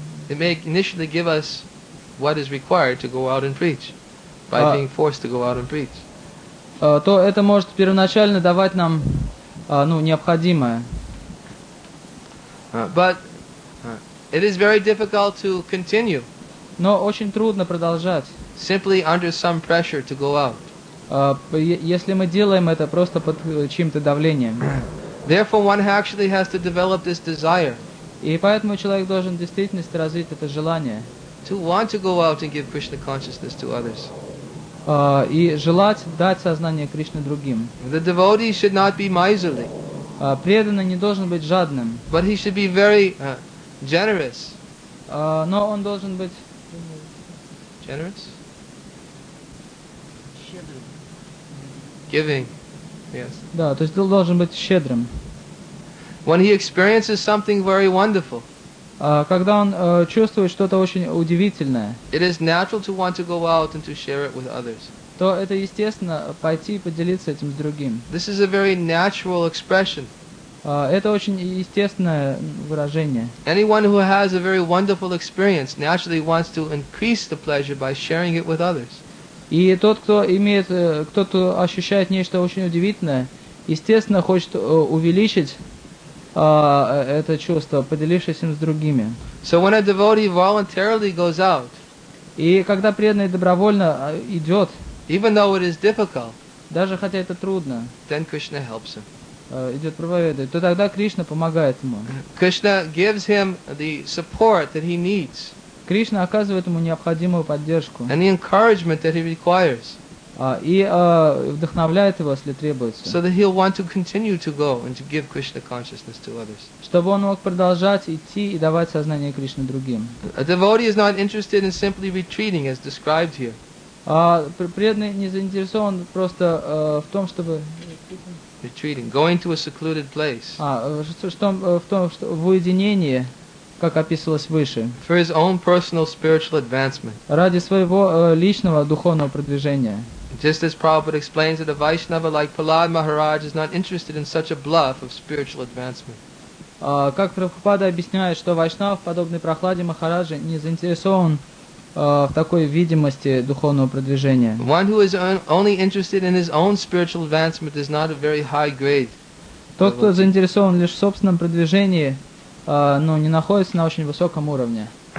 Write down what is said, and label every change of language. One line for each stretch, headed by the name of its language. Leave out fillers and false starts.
English: it may initially give us what is required to go out and preach by being forced to go out and preach.
Russian: То это может первоначально давать нам необходимое.
English: But it is very difficult to continue.
Russian: Но очень трудно продолжать.
English: Simply under some pressure to go out.
Russian: Если мы делаем это просто под чьим-то давлением.
English: Therefore, one actually has to develop this desire.
Russian: И поэтому человек должен в действительности развить это желание.
English: To want to go out and give Krishna consciousness to others.
Russian: И желать дать сознание Кришны другим.
English: The devotee should not be miserly.
Russian: Преданный не должен быть жадным.
English: But he should be very generous.
Russian: Но он должен быть...
English: Generous?
Russian: Щедрым.
English: Giving. Yes.
Russian: Да, то есть должен быть щедрым.
English: When he experiences something very wonderful.
Russian: Когда он чувствует что-то очень удивительное.
English: It is natural to want to go out and to share it with others.
Russian: То это естественно пойти и поделиться этим с другим.
English: This is a very natural expression.
Russian: Это очень естественное выражение.
English: Anyone who has a very wonderful experience naturally wants to increase the pleasure by sharing it with others.
Russian: И тот, кто ощущает нечто очень удивительное, естественно, хочет увеличить это чувство, поделившись им с другими.
English: So when a devotee voluntarily goes out,
Russian: и когда преданный добровольно идет,
English: even though it is difficult,
Russian: даже хотя это трудно,
English: then Krishna helps him.
Russian: Идет проповедовать, то тогда Кришна помогает ему.
English: Krishna gives him the support that he needs.
Russian: Кришна оказывает ему необходимую поддержку.
English: And the encouragement that he requires.
Russian: Вдохновляет его, если требуется.
English: So that he'll want to continue to go and to give Krishna consciousness to others.
Russian: Чтобы он мог продолжать идти и давать сознание Кришны другим.
English: A devotee is not interested in simply retreating as described here.
Russian: Преданный не заинтересован просто в том, чтобы...
English: Retreating, going to a secluded place.
Russian: В уединении. Как описывалось выше.
English: For his own personal spiritual advancement.
Russian: Ради своего личного духовного продвижения.
English: Just as Prabhupada explains that a Vaishnava like Prahlad Maharaj is not interested in such a bluff of spiritual advancement.
Russian: Как Прабхупада объясняет, что Вайшнав, подобный Прахладе Махараджа, не заинтересован в такой видимости духовного продвижения.
English: One who is only interested in his own spiritual advancement is not a very high grade.
Russian: Тот, кто заинтересован лишь в собственном продвижении, не находится на очень высоком уровне.